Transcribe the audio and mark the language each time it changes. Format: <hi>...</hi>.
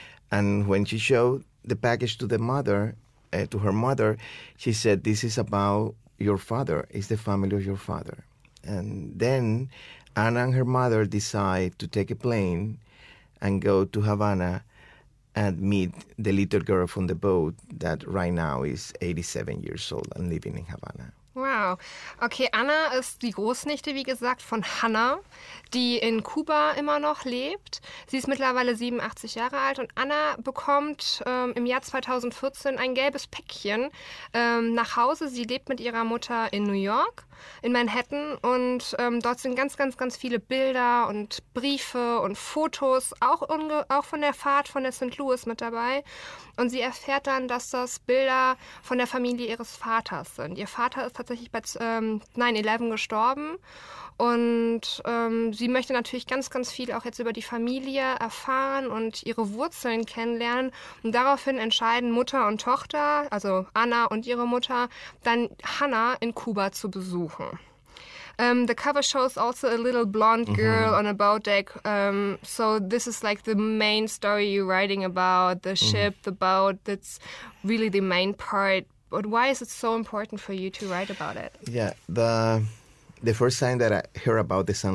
<en>And when she showed the package to the mother, to her mother, she said, this is about your father. It's the family of your father. And then Anna and her mother decide to take a plane and go to Havana and meet the little girl from the boat that right now is 87 years old and living in Havana. Wow.</en> <de>Okay, Anna ist die Großnichte, wie gesagt, von Hannah, die in Kuba immer noch lebt. Sie ist mittlerweile 87 Jahre alt und Anna bekommt im Jahr 2014 ein gelbes Päckchen nach Hause. Sie lebt mit ihrer Mutter in New York, in Manhattan und dort sind ganz, ganz, ganz viele Bilder und Briefe und Fotos, auch von der Fahrt von der St. Louis mit dabei. Und sie erfährt dann, dass das Bilder von der Familie ihres Vaters sind. Ihr Vater ist tatsächlich bei 9/11 gestorben. Und sie möchte natürlich ganz, ganz viel auch jetzt über die Familie erfahren und ihre Wurzeln kennenlernen. Und daraufhin entscheiden Mutter und Tochter, also Anna und ihre Mutter, dann Hannah in Kuba zu besuchen.</de> <en>The cover shows also a little blonde girl mm-hmm. on a boat deck. So this is like the main story you're writing about, the ship, mm-hmm. the boat, that's really the main part. But why is it so important for you to write about it? Yeah, the first time that I heard about the St.</en>